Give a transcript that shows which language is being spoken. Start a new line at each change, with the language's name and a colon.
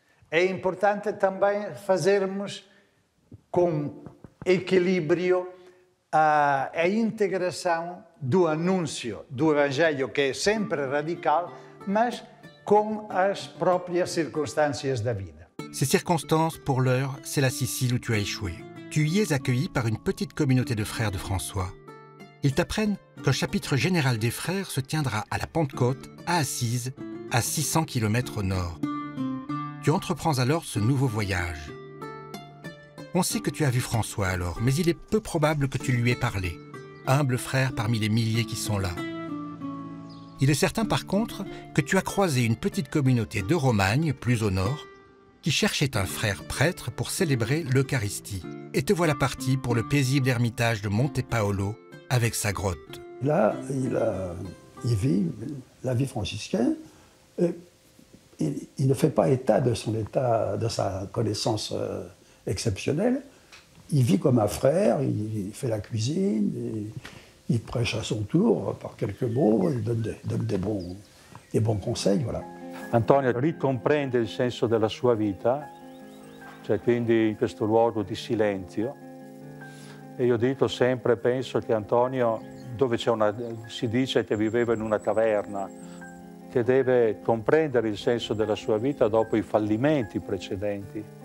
Portuguese: É importante também fazermos com equilíbrio a integração do anúncio do Evangelho, que é sempre radical, mas com as próprias circunstâncias da vida.
French: Ces circonstances, pour l'heure, c'est la Sicile où tu as échoué. Tu y es accueilli par une petite communauté de frères de François. Ils t'apprennent qu'un chapitre général des frères se tiendra à la Pentecôte, à Assise, à 600 km au nord. Tu entreprends alors ce nouveau voyage. On sait que tu as vu François alors, mais il est peu probable que tu lui aies parlé, humble frère parmi les milliers qui sont là. Il est certain par contre que tu as croisé une petite communauté de Romagne, plus au nord, qui cherchait un frère prêtre pour célébrer l'Eucharistie. Et te voilà parti pour le paisible ermitage de Monte Paolo avec sa grotte. Là, il vit la vie franciscaine. Il ne fait pas état de son état, de sa connaissance exceptionnelle. Il vit comme un frère, il fait la cuisine, il prêche à son tour par quelques mots, il donne des bons conseils, voilà.
Italian: Antonio ricomprende il senso della sua vita, cioè quindi in questo luogo di silenzio. E io dico sempre, penso che Antonio, dove c'è una, si dice che viveva in una caverna, che deve comprendere il senso della sua vita dopo i fallimenti precedenti.